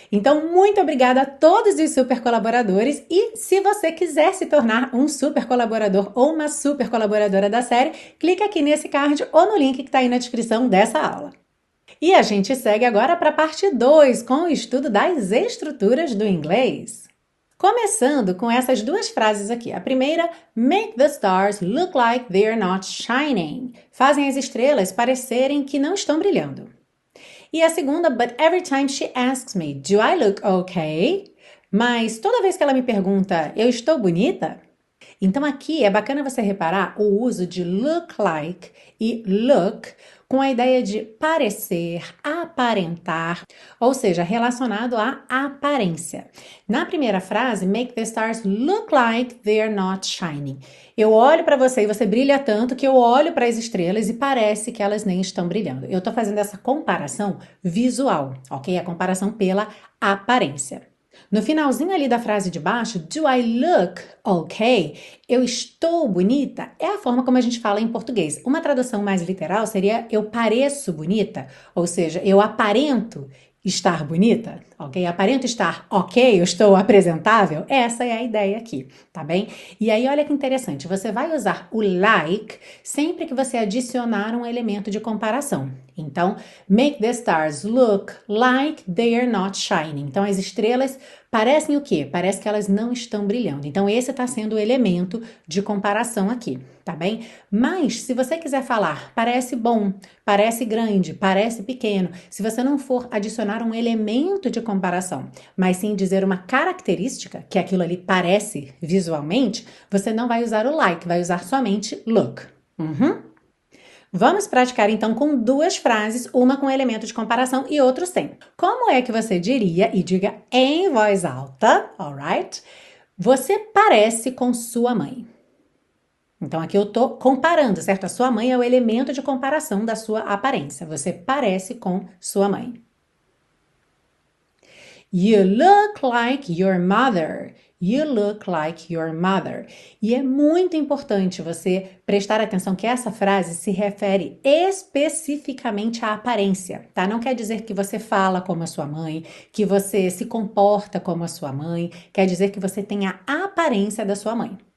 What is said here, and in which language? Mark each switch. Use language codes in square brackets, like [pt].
[pt] Então, muito obrigada a todos os super colaboradores, e se você quiser se tornar um super colaborador ou uma super colaboradora da série, clique aqui nesse card ou no link que está aí na descrição dessa aula. E a gente segue agora para a parte 2, com o estudo das estruturas do inglês. Começando com essas duas frases aqui. A primeira, [en] make the stars look like they're not shining. [pt] Fazem as estrelas parecerem que não estão brilhando. E a segunda, [en] but every time she asks me, do I look okay? [pt] Mas toda vez que ela me pergunta, eu estou bonita? Então aqui é bacana você reparar o uso de look like e look com a ideia de parecer, aparentar, ou seja, relacionado à aparência. Na primeira frase, [en] make the stars look like they're not shining. [pt] Eu olho para você e você brilha tanto que eu olho para as estrelas e parece que elas nem estão brilhando. Eu estou fazendo essa comparação visual, ok? A comparação pela aparência. No finalzinho ali da frase de baixo, [en] do I look okay? [pt] Eu estou bonita? É a forma como a gente fala em português. Uma tradução mais literal seria eu pareço bonita, ou seja, eu aparento estar bonita, ok? Aparento estar ok, eu estou apresentável. Essa é a ideia aqui, tá bem? E aí, olha que interessante, você vai usar o like sempre que você adicionar um elemento de comparação. Então, [en] make the stars look like they're not shining. [pt] Então, as estrelas parecem o quê? Parece que elas não estão brilhando. Então, esse está sendo o elemento de comparação aqui, tá bem? Mas, se você quiser falar, parece bom, parece grande, parece pequeno, se você não for adicionar um elemento de comparação, mas sim dizer uma característica, que aquilo ali parece visualmente, você não vai usar o like, vai usar somente look. Vamos praticar então com duas frases, uma com elemento de comparação e outra sem. Como é que você diria, e diga em voz alta, alright? Você parece com sua mãe. Então aqui eu tô comparando, certo? A sua mãe é o elemento de comparação da sua aparência. Você parece com sua mãe. [en] You look like your mother. You look like your mother. [pt] E é muito importante você prestar atenção que essa frase se refere especificamente à aparência, tá? Não quer dizer que você fala como a sua mãe, que você se comporta como a sua mãe, quer dizer que você tem a aparência da sua mãe.